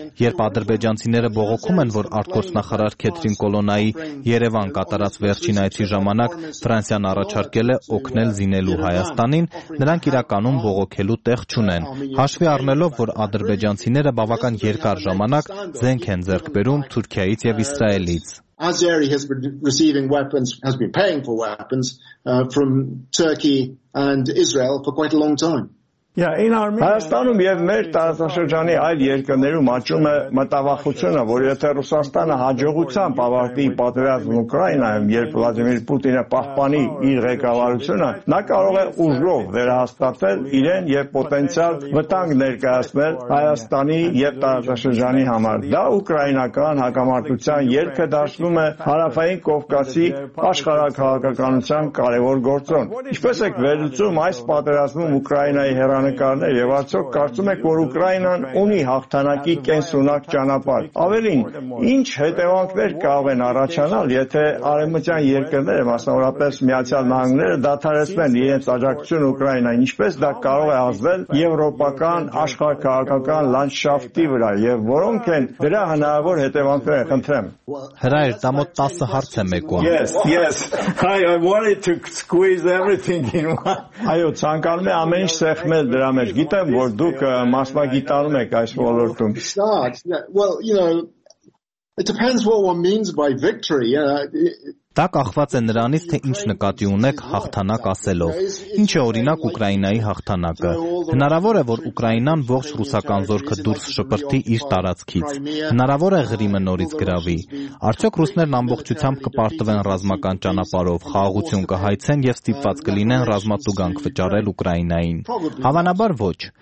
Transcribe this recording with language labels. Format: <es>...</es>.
<hy>երբ ադրբեջանցիները բողոքում են, որ արտգործնախարար Քեթրին Կոլոնայի Երևան կատարած վերջին այցի ժամանակ Ֆրանսիան առաջարկել է օգնել զինելու Հայաստանին, նրանք իրականում բողոքելու տեղ չունեն, հաշվի առնելով, որ ադրբեջանցիները բավական երկար ժամանակ զենք են ձեռք բերում Թուրքիայից եւ Իսրայելից։</hy> <en>Azeri has been receiving weapons, has been paying for weapons from Turkey and Israel for quite a long time. Yeah, in Armenia,</en> <hy>Հայաստանում եւ մեր տարածաշրջանի այլ երկրներում աճում է մտավախությունը, որ եթե Ռուսաստանը հաջողությամբ ավարտի պատերազմը Ուկրաինայում, երբ Վլադիմիր Պուտինը պահպանի իր ղեկավարությունը, նա կարող է ուժով վերահաստատել իրեն եւ պոտենցիալ վտանգ ներկայացնել Հայաստանի եւ տարածաշրջանի համար։ Դա ուկրաինական հակամարտության երկը դարձնում է Հարավային Կովկասի աշխարհակահաղաղակականության կարևոր գործոն։ Ինչպես եք վերլուծում այս պատերազմում Ուկրաինայի հերանակ լուսանկարներ եւ արդյոք կարծում եք, որ Ուկրաինան ունի հաղթանակի կենսունակ ճանապարհ։ Ավելին, ինչ հետևանքներ կարող են առաջանալ, եթե արևմտյան երկրները, մասնավորապես Միացյալ Նահանգները, դադարեցնեն իրենց աջակցությունը Ուկրաինային, ինչպես դա կարող է ազդել եվրոպական աշխարհակահաղական լանդշաֆտի վրա եւ որոնք են դրա հնարավոր հետևանքները, խնդրեմ։ Հրայր, դա մոտ 10 հարց է մեկում։</hy> <en>Yes. Hi, I wanted to squeeze everything in one.</en> <hy>Այո, ցանկանում եմ ամեն ինչ սեղմել դրա մեջ։ Գիտեմ, որ դուք մասնագիտանում եք այս ոլորտում։</hy> <en>Well, you know, it depends what one means by victory.</en> <hy>Դա կախված է նրանից, թե ինչ նկատի ունեք հաղթանակ ասելով։ Ինչ է օրինակ Ուկրաինայի հաղթանակը։ Հնարավոր է, որ Ուկրաինան ողջ ռուսական զորքը դուրս շպրտի իր տարածքից։ Հնարավոր է Ղրիմը նորից գրավի։ Արդյոք ռուսներն ամբողջությամբ կպարտվեն ռազմական ճանապարհով, խաղաղություն կհայցեն եւ ստիպված կլինեն ռազմատուգանք վճարել Ուկրաինային։ Հավանաբար ոչ։</hy>